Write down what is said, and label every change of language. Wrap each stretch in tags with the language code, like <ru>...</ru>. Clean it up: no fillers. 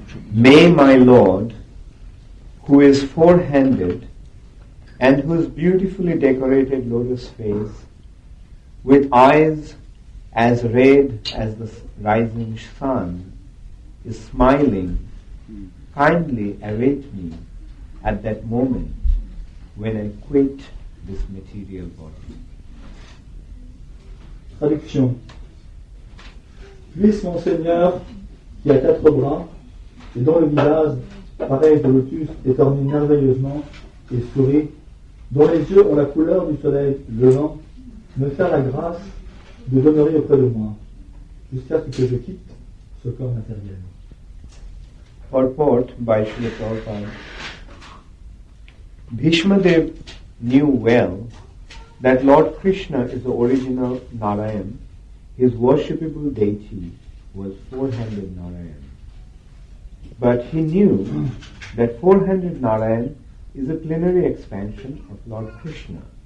<en>May my Lord, who is four-handed and whose beautifully decorated lotus face, with eyes as red as the rising sun, is smiling, kindly await me at that moment when I quit this material body.</en> <fr>Traduction. Puisse mon Seigneur, qui a quatre bras, et dont le visage, pareil de lotus, est orné merveilleusement et sourit, dont les yeux ont la couleur du soleil levant, me faire la grâce de demeurer auprès de moi, jusqu'à ce que je quitte ce corps matériel.</fr> <en>Purport by Srila Prabhupada. Bhishma Dev knew well that Lord Krishna is the original Narayan. His worshipable deity was four-handed Narayan. But he knew that four-handed Narayan is a plenary expansion of Lord Krishna.</en>